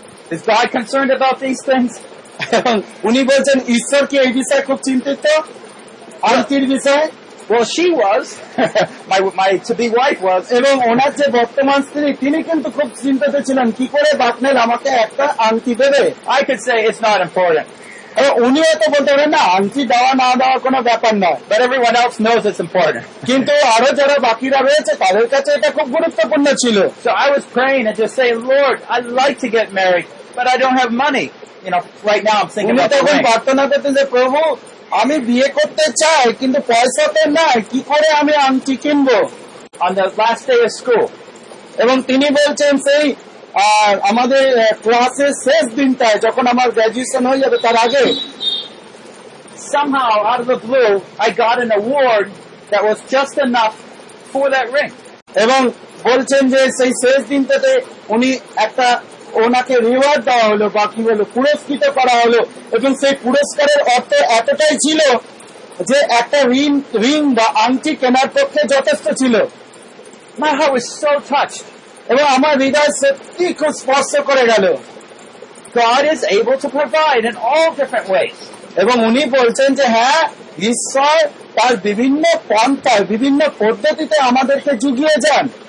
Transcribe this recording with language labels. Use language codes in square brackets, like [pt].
[en] Is God concerned about these things? [bn] উনি বলছেন ঈশ্বর কি এই বিষয়ে খুব চিন্তিত আংটির বিষয়ে? [en] Well, she was. My to-be wife was. [bn] এবং ওনার যে বর্তমান স্ত্রী তিনি কিন্তু খুব চিন্তিত ছিলেন কি করে বাগনের আমাকে একটা আংটি দেবে. [en] I could say it's not important. [bn] উনি হয়তো বলতে পারেন না আংটি দেওয়া না দেওয়া কোনো ব্যাপার নয়. [en] But everyone else knows it's important. [bn] কিন্তু আরো যারা বাকিরা রয়েছে তাদের কাছে এটা খুব গুরুত্বপূর্ণ ছিল. [en] So I was praying and just saying, Lord, I'd like to get married, but I don't have money. You know, right now I'm thinking about the ring. [bn] উনি তখন প্রার্থনা করতেন যে প্রভু আমি বিয়ে করতে চাই কিন্তু পয়সা তো নাই কি করে আমি আংটি কিনবো. [en] On the last day of school. [bn] এবং তিনি বলছেন সেই আর আমাদের ক্লাসের শেষ দিনটা যখন আমার গ্রাজুয়েশন হয়ে যাবে তার আগে [en] somehow out of the blue I got an award that was just enough for that ring. [bn] এবং বলছেন যে সেই শেষ দিনটাতে উনি একটা ওনাকে রিওয়ার্ড দেওয়া হলো বাকি হলো পুরস্কৃত করা হলো এবং সেই পুরস্কারের অর্থ এতটাই ছিল যে একটা রিং বা আংটি কেনার পক্ষে যথেষ্ট ছিল. [en] My heart was so touched. [bn] এবং আমার হৃদয় সত্যি খুব স্পর্শ করে গেল. [en] God is able to provide in all different ways. [bn] এবং উনি বলছেন যে হ্যাঁ, ঈশ্বর তার বিভিন্ন পন্থায় বিভিন্ন পদ্ধতিতে আমাদেরকে যুগিয়ে যান.